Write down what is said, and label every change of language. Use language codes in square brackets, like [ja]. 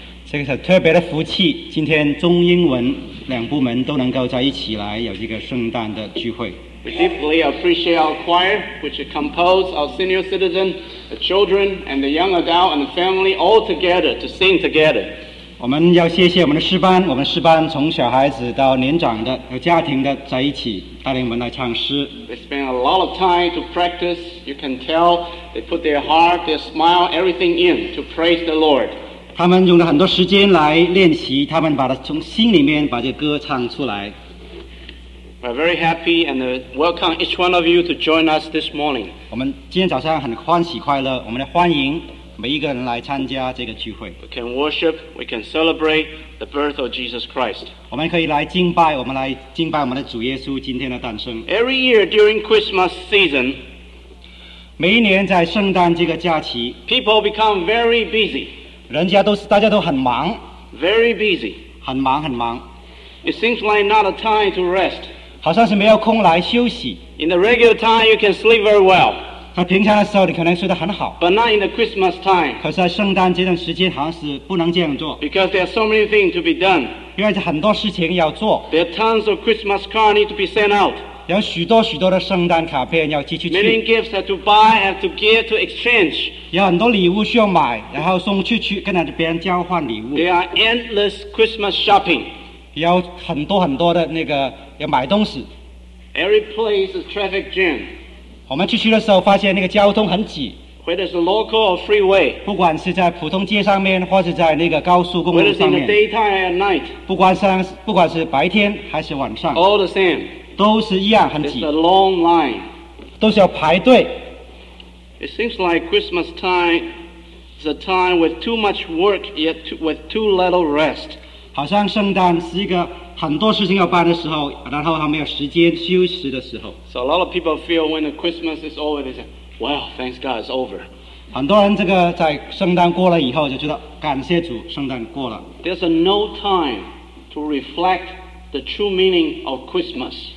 [zh] 这个是特别的福气, 今天中英文两部门都能够在一起来有一个圣诞的聚会。 [en] We deeply appreciate our choir, which composed our senior citizen, the children, and the young adult, and the family all together to sing together. [zh] 我们要谢谢我们的诗班, 我们诗班从小孩子到年长的和家庭的在一起带领我们来唱诗。 [en] They spend a lot of time to practice. You can tell they put their heart, their smile, everything in to praise the Lord. [zh] 他们用了很多时间来练习, 他们把它从心里面把这歌唱出来。 [en] We're very happy and welcome each one of you to join us this morning. [zh] 我们今天早上很欢喜快乐, 我们来欢迎每一个人来参加这个聚会。 [en] We can worship, we can celebrate the birth of Jesus Christ. [zh] 我们可以来敬拜, 我们来敬拜我们的主耶稣今天的诞生。 [en] Every year during Christmas season, [zh] 每一年在圣诞这个假期, [en] people become very busy. [zh] 大家都很忙, [en] very busy. [zh] 很忙很忙。 [en] It seems like not a time to rest. [zh] 好像是没有空来休息。 [en] In the regular time, you can sleep very well. [zh] 平常的时候你可能睡得很好, [en] but not in the Christmas time. [zh] 可是在圣诞这段时间好像是不能这样做, [en] because there are so many things to be done. [zh] 因为很多事情要做, [en] there are tons of Christmas cards need to be sent out. [zh] 有许多许多的圣诞卡片要寄出去, [en] many gifts have to buy, have to give, to exchange. [zh] 有很多礼物需要买, 然后送出去, 跟别人交换礼物。 [en] There are endless Christmas shopping. [zh] 有很多很多的那个要买东西。 [en] Every place is traffic jam. [zh] 我们去的时候发现那个交通很挤。 [en] Whether it's a local or freeway. [zh] 不管是在普通街上面, 或是在那个高速公路上面, [en] whether it's in the daytime or night. [zh] 不管是白天还是晚上, [en] all the same. [zh] 都是一样很挤。 [en] It's a long line. [zh] 都是要排队。 [en] It seems like Christmas time is a time with too much work, yet with too little rest. [zh] 好像圣诞是一个很多事情要办的时候, 然后他没有时间休息的时候。 [en] So a lot of people feel when the Christmas is over, they say, well, thanks God, it's over. [zh] 很多人这个在圣诞过了以后就觉得感谢主圣诞过了。 [en] There's no time to reflect the true meaning of Christmas.